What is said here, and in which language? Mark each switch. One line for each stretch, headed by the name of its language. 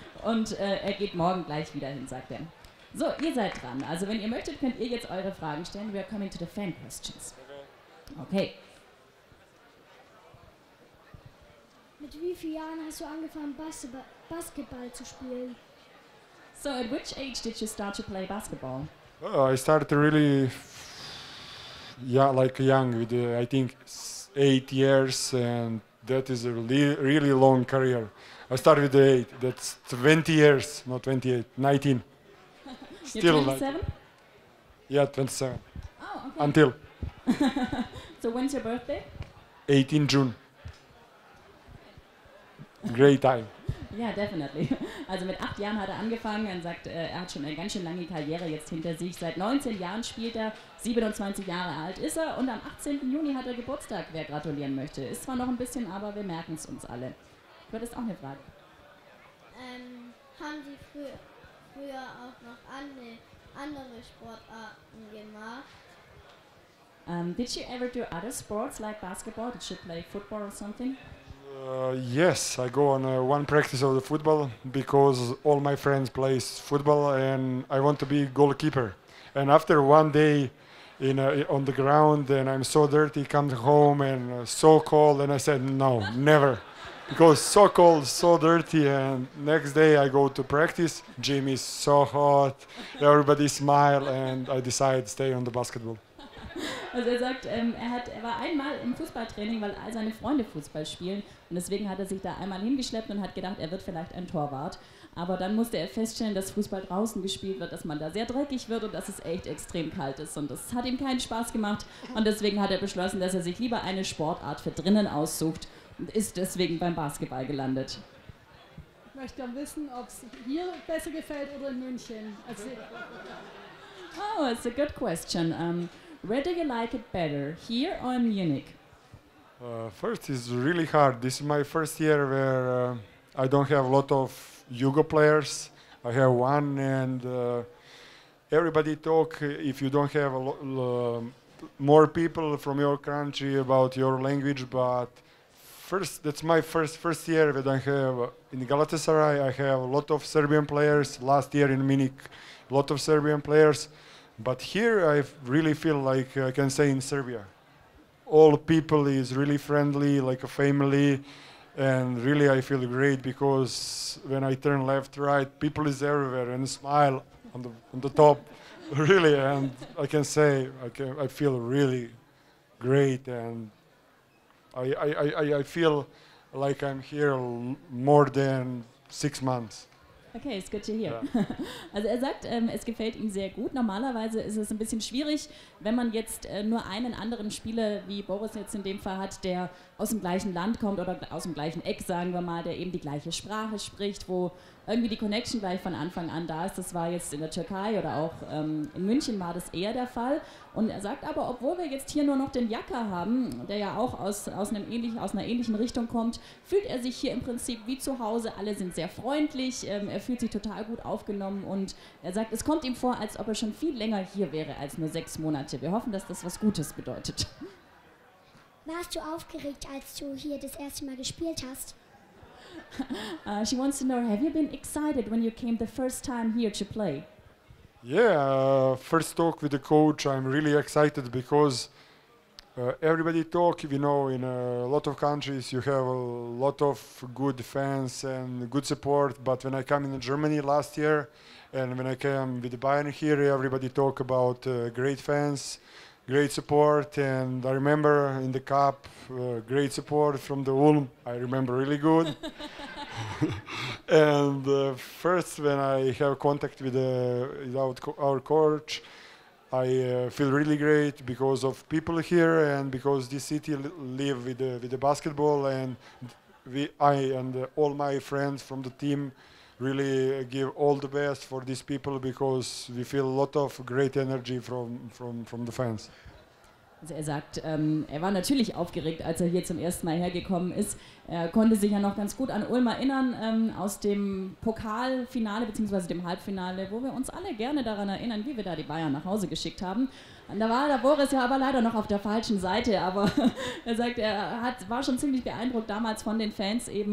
German: Und er geht morgen gleich wieder hin, sagt er. So, ihr seid dran. Also wenn ihr möchtet, könnt ihr jetzt eure Fragen stellen.
English: We are coming to the fan questions. Okay.
German: Mit wie vielen Jahren hast du angefangen, Basketball zu spielen?
English: So, at which age did you start to play basketball? I started really, young. With I think 8 years, and that is a really long career. I started with the 8. That's 20 years, not 28, 19. You're still 27? Yeah, 27. Oh, okay. Until. So when's your birthday? 18 June. Great time. Ja, definitely.
German: Also mit 8 Jahren hat er angefangen und sagt, er hat schon eine ganz schön lange Karriere jetzt hinter sich. Seit 19 Jahren spielt er, 27 Jahre alt ist er und am 18. Juni hat er Geburtstag, wer gratulieren möchte. Ist zwar noch ein bisschen, aber wir merken es uns alle. Du hattest auch eine Frage. Haben Sie früher auch noch andere Sportarten gemacht? Did you ever do other sports like basketball? Did you play football or something? Yes, I go on one practice of the football because all my friends play football and I want to be goalkeeper. And after one day in on the ground and I'm so dirty, come home and so cold, and I said no, never. Because so cold, so dirty, and next day I go to practice, gym is so hot, everybody smile, and I decide to stay on the basketball. Also er sagt, er war einmal im Fußballtraining, weil all seine Freunde Fußball spielen und deswegen hat er sich da einmal hingeschleppt und hat gedacht, er wird vielleicht ein Torwart. Aber dann musste er feststellen, dass Fußball draußen gespielt wird, dass man da sehr dreckig wird und dass es echt extrem kalt ist. Und das hat ihm keinen Spaß gemacht und deswegen hat er beschlossen, dass er sich lieber eine Sportart für drinnen aussucht und ist deswegen beim Basketball gelandet. Ich möchte gerne wissen, ob es hier besser gefällt oder in München.
English: Oh, it's a good question. Where do you like it better, here or in Munich? First is really hard. This is my first year where I don't have a lot of Yugo players. I have one and everybody talk, if you don't have more people from your country about your language, but first, that's my first year that I have in Galatasaray. I have a lot of Serbian players. Last year in Munich, a lot of Serbian players. But here I really feel like I can say in Serbia, all people is really friendly, like a family, and really I feel great because when I turn left, right, people is everywhere and smile on the top, really, and I can say I feel really great and I feel like I'm here more than 6 months. Okay, it's good to hear. Yeah.
German: Also er sagt, es gefällt ihm sehr gut. Normalerweise ist es ein bisschen schwierig, wenn man jetzt nur einen anderen Spieler, wie Boris jetzt in dem Fall hat, der aus dem gleichen Land kommt oder aus dem gleichen Eck, sagen wir mal, der eben die gleiche Sprache spricht, wo irgendwie die Connection gleich von Anfang an da ist. Das war jetzt in der Türkei oder auch in München war das eher der Fall. Und er sagt aber, obwohl wir jetzt hier nur noch den Jaka haben, der ja auch aus einer ähnlichen Richtung kommt, fühlt er sich hier im Prinzip wie zu Hause. Alle sind sehr freundlich, er fühlt sich total gut aufgenommen und er sagt, es kommt ihm vor, als ob er schon viel länger hier wäre als nur 6 Monate. Wir hoffen, dass das was Gutes bedeutet. Warst du aufgeregt, als du hier das erste Mal gespielt hast?
English: She wants to know, have you been excited when you came the first time here to play? Yeah, first talk with the coach, I'm really excited because everybody talk, you know, in a lot of countries you have a lot of good fans and good support, but when I come in Germany last year and when I came with Bayern here, everybody talk about great fans, great support, and I remember in the cup, great support from the Ulm. I remember really good. And first, when I have contact with our coach, I feel really great because of people here and because this city live with the basketball, and I and all my friends from the team really give all the best for these people because we feel a lot of great energy from the fans.
German: Also er sagt, er war natürlich aufgeregt, als er hier zum ersten Mal hergekommen ist. Er konnte sich ja noch ganz gut an Ulm erinnern, aus dem Pokalfinale bzw. dem Halbfinale, wo wir uns alle gerne daran erinnern, wie wir da die Bayern nach Hause geschickt haben. Und da war der Boris ja aber leider noch auf der falschen Seite, aber er sagt, er war schon ziemlich beeindruckt damals von den Fans eben.